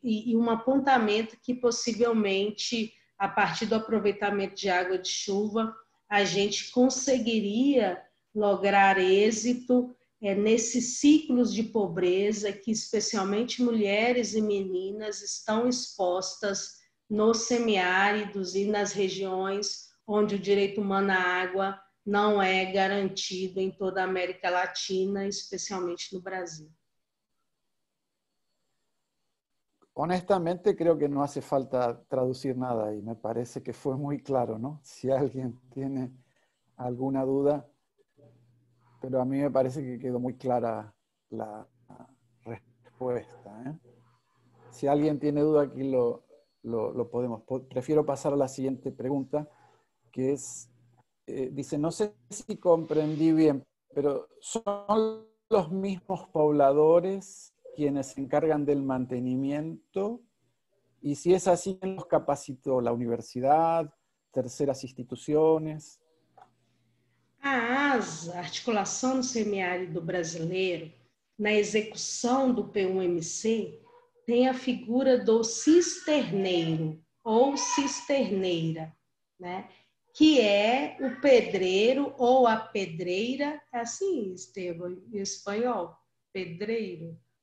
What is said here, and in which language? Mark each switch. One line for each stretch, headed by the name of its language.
Portuguese: E um apontamento que possivelmente, a partir do aproveitamento de água de chuva, a gente conseguiria lograr êxito nesses ciclos de pobreza que especialmente mulheres e meninas estão expostas nos semiáridos e nas regiões onde o direito humano à água não é garantido em toda a América Latina, especialmente no Brasil.
Spanish: Honestamente, creo que no hace falta traducir nada y me parece que fue muy claro, ¿no? Si alguien tiene alguna duda, pero a mí me parece que quedó muy clara la respuesta, ¿eh? Si alguien tiene duda, aquí lo podemos. Prefiero pasar a la siguiente pregunta, que es... dice, no sé si comprendí bien, pero ¿son los mismos pobladores quienes se encargan del mantenimiento? Y si es así, ¿quién los capacitó? ¿La universidad? ¿Terceras instituciones?
Portuguese: A ASA, Articulação do Semiárido Brasileiro, na execução do P1MC, tem a figura do cisterneiro ou cisterneira, né? Que é o pedreiro ou a pedreira, assim, Estevam, em espanhol, pedreiro.